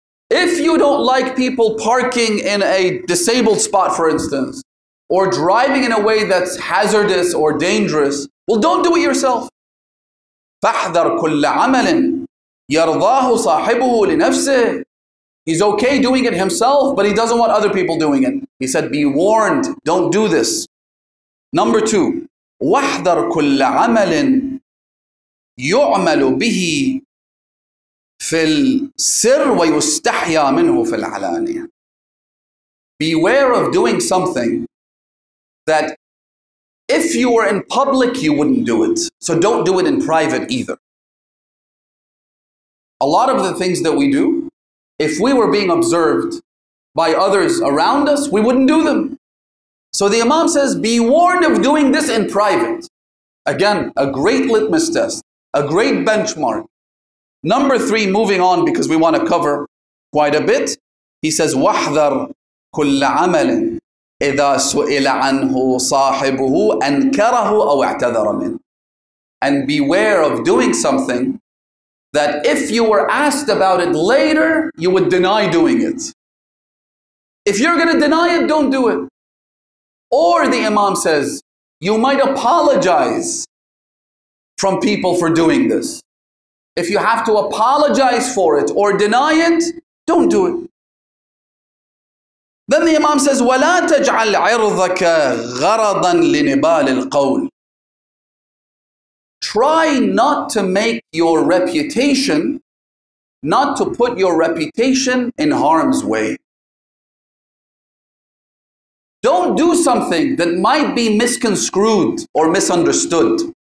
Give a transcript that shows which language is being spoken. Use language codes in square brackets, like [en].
[en] If you don't like people parking in a disabled spot, for instance, or driving in a way that's hazardous or dangerous, well, don't do it yourself. [ar] فَحْذَرْ كُلَّ عَمَلٍ يَرْضَاهُ صَاحِبُهُ لِنَفْسِهِ. [en] He's okay doing it himself, but he doesn't want other people doing it. He said, be warned, don't do this. Number two, [ar] وَحْذَرْ كُلَّ عَمَلٍ يُعْمَلُ بِهِ فِي السِّرْ وَيُسْتَحْيَى مِنْهُ فِي الْعَلَانِيَةِ. [en] Beware of doing something that if you were in public, you wouldn't do it. So don't do it in private either. A lot of the things that we do, if we were being observed by others around us, we wouldn't do them. So the Imam says, be warned of doing this in private. Again, a great litmus test, a great benchmark. Number three, moving on, because we want to cover quite a bit. He says, [ar] وَحْذَرْ كُلَّ عَمَلٍ إِذَا سُئِلَ عَنْهُ صَاحِبُهُ أَنْكَرَهُ أَوْ اَعْتَذَرَ مِنْهُ. [en] And beware of doing something that if you were asked about it later, you would deny doing it. If you're going to deny it, don't do it. Or the Imam says, you might apologize from people for doing this. If you have to apologize for it or deny it, Don't do it. Then the Imam says, [ar] وَلَا تَجْعَلْ عِرْضَكَ غَرَضًا لِنِبَالِ الْقَوْلِ. [en] Try not to make your reputation, not to put your reputation in harm's way. Don't do something that might be misconstrued or misunderstood.